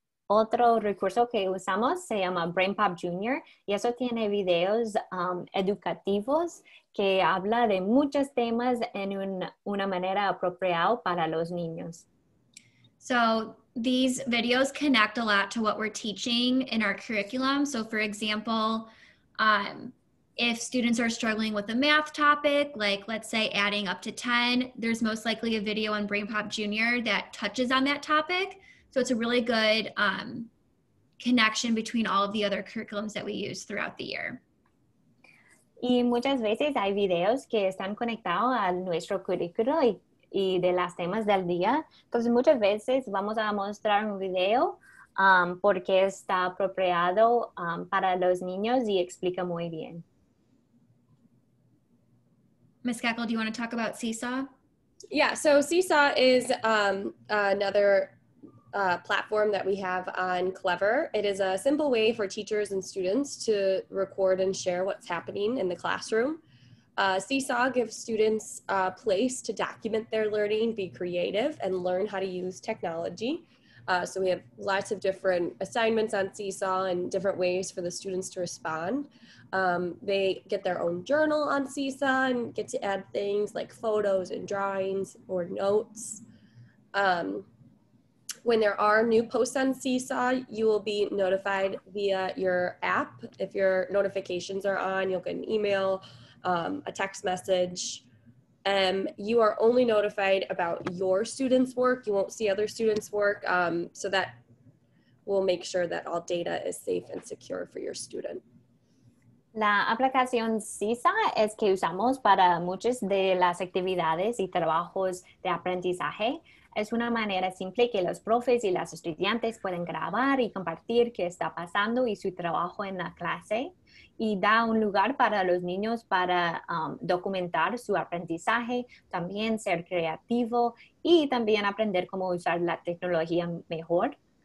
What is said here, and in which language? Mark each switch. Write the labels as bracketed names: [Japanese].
[Spanish] Otro recurso que usamos se llama Brain Pop Junior y eso tiene videos educativos que habla de muchos temas en una manera apropiada para los niños. [English] So these videos connect a lot to what we're teaching in our curriculum. So for example, if students are struggling with a math topic, like let's say adding up to 10, there's most likely a video on Brain Pop Junior that touches on that topic. So it's a really good connection between all of the other curriculums that we use throughout the year. [Spanish] Y muchas veces hay videos que están conectados a nuestro currículo y de las temas del día. Entonces muchas veces vamos a mostrar un video porque está apropiado para los niños y explica muy bien. [English] Ms. Gackle, do you want to talk about CICS? Yeah, so CICS is another platform that we have on Clever. It is a simple way for teachers and students to record and share what's happening in the classroom. CICS gives students a place to document their learning, be creative, and learn how to use technology. So we have lots of different assignments on CICS and different ways for the students to respond. They get their own journal on CICS and get to add things like photos and drawings or notes. When there are new posts on CICS, you will be notified via your app. If your notifications are on, you'll get an email. a text message. You are only notified about your students' work. You won't see other students' work. So that will make sure that all data is safe and secure for your student. [Spanish] La aplicación CISA es que usamos para muchas de las actividades y trabajos de aprendizaje. Es una manera simple que los profes y las estudiantes pueden grabar y compartir qué está pasando y su trabajo en la clase. Y da un lugar para los niños para documentar su aprendizaje, también ser creativo y también aprender cómo usar la tecnología mejor.